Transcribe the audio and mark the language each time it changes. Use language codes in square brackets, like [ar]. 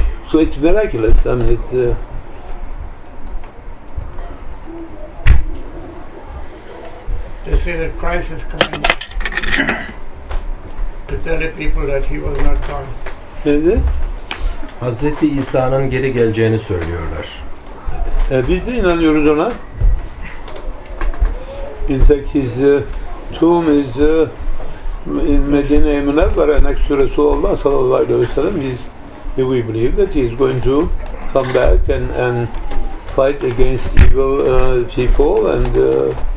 [en] So it's miraculous. I mean, it's. They say that Christ is coming to tell the people that he was not God. Is it? [tr] Hazreti İsa'nın geri geleceğini söylüyorlar. Biz de inanıyoruz ona. [en] In fact, his tomb is in Medine Münevvere next to Resulullah sallallahu aleyhi ve sellem. We believe that he is going to come back and fight against evil people and